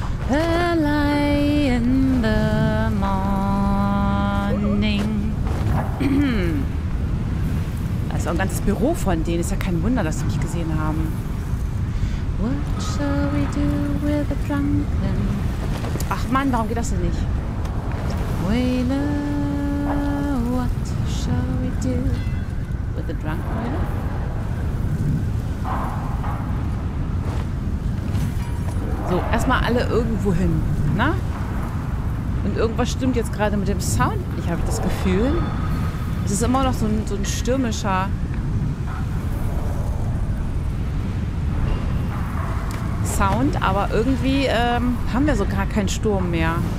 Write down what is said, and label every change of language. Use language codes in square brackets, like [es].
[en] Early in the morning. [de] Das ist auch ein ganzes Büro von denen. Ist ja kein Wunder, dass sie mich gesehen haben. [en] What shall we do with the drunken? [de] Ach Mann, warum geht das denn nicht? [en] Wailer, what shall we do with the drunk wailer? [de] So, erstmal alle irgendwo hin, ne? Und irgendwas stimmt jetzt gerade mit dem Sound. Ich habe das Gefühl, es ist immer noch so ein stürmischer... Sound, aber irgendwie haben wir so gar keinen Sturm mehr.